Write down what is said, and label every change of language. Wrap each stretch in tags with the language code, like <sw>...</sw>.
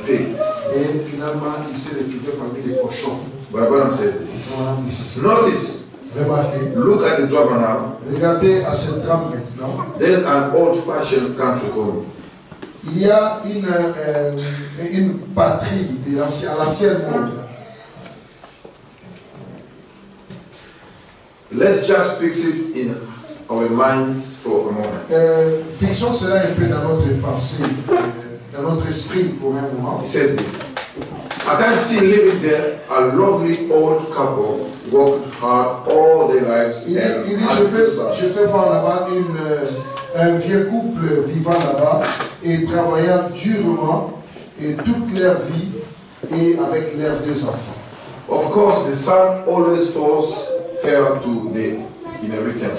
<en>pigs.</en> <fr>Et finalement, il s'est retrouvé parmi les cochons.</fr> <en>But Abraham said this. Notice.</en> <fr>Remarquez.</fr> <en>Look at the job now.</en> <fr>Regardez à ce temps maintenant.</fr> <en>There's an old-fashioned country called.</en> <fr>Il y a une patrie de l'ancien monde.</fr> <en>Let's just fix it in our minds for a moment.</en> <fr>Fixons cela un peu dans notre pensée, dans notre esprit pour un moment.</fr> <en>He says this. I can see living there a lovely old couple work hard all their lives.</en> <fr>Je fais voir là-bas un vieux couple vivant là-bas et travaillant durement et toute leur vie et avec leurs deux enfants.</fr> <en>Of course, the son always falls heir to the inheritance.</en>